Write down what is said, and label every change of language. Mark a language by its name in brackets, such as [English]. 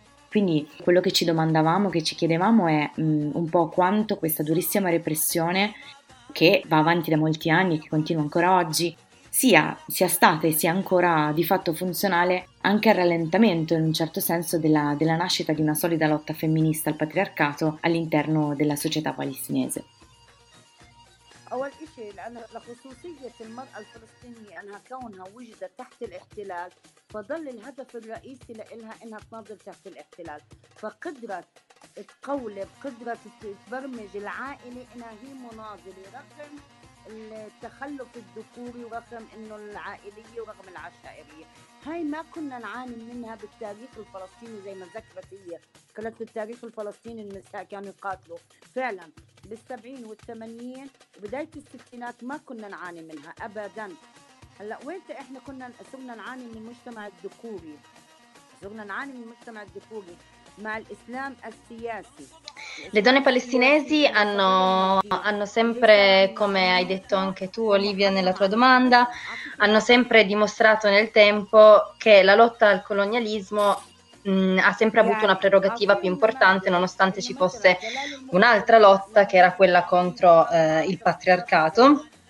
[Italian] Quindi quello che ci domandavamo, che ci chiedevamo è un po' quanto questa durissima repressione, che va avanti da molti anni e che continua ancora oggi, sia stata e sia ancora di fatto funzionale anche al rallentamento, in un certo senso, della nascita di una solida lotta femminista al patriarcato all'interno della società palestinese. [Arabic] شيء لأن لخصوصية المرأة الفلسطينية أنها كونها وجدت تحت الاحتلال فظل الهدف الرئيسي لإلها أنها تنظر تحت الاحتلال، فقدرة تقولب قدرة تبرمج العائلة أنها هي مناضلة رغم التخلف الذكوري ورغم أنه العائلية ورغم العشائرية. هاي ما كنا نعاني منها بالتاريخ الفلسطيني زي ما ذكرت هي، كانت بالتاريخ الفلسطيني النساء كانوا يقاتلوا فعلا بالسبعين والثمانين وبداية الستينات ما كنا نعاني منها أبدا. هلأ وين إحنا كنا صرنا نعاني من المجتمع الذكوري، صرنا نعاني من المجتمع الذكوري مع الإسلام السياسي. [Italian] Le donne palestinesi hanno sempre, come hai detto anche tu Olivia nella tua domanda, hanno sempre dimostrato nel tempo che la lotta al colonialismo ha sempre avuto una prerogativa più importante nonostante ci fosse un'altra lotta che era quella contro il patriarcato.